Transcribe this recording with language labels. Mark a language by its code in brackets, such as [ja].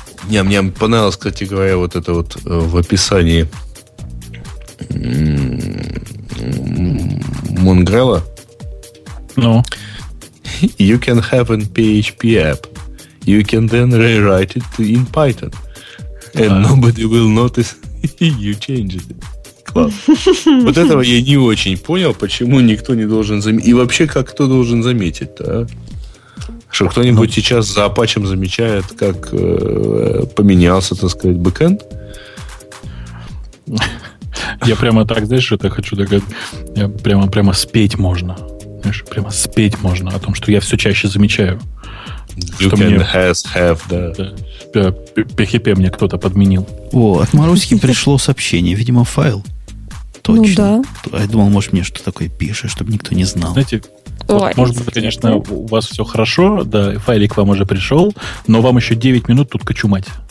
[ru] Да. Мне понравилось, кстати говоря, вот это вот в описании Мунгрела. Ну? [en] You can have an PHP app. You can then rewrite it in Python. And nobody will notice you changed it. [ru] Класс. Вот этого я не очень понял, почему никто не должен заметить. И вообще, как кто должен заметить-то, а? Что кто-нибудь сейчас за Apache замечает, как поменялся, так сказать, бэкэнд? Я прямо так, знаешь, это хочу догадать. Прямо спеть можно. Знаешь, прямо спеть можно о том, что я все чаще замечаю. [en] You can have, [ru] да. PHP мне кто-то подменил. О, от Маруськи пришло сообщение. Видимо, файл. Точно. Ну, да. Я думал, может, мне что-то такое пишешь, чтобы никто не знал. Знаете, вот, может быть, конечно, у вас все хорошо, да, файлик вам уже пришел, но вам еще 9 минут тут кочумать.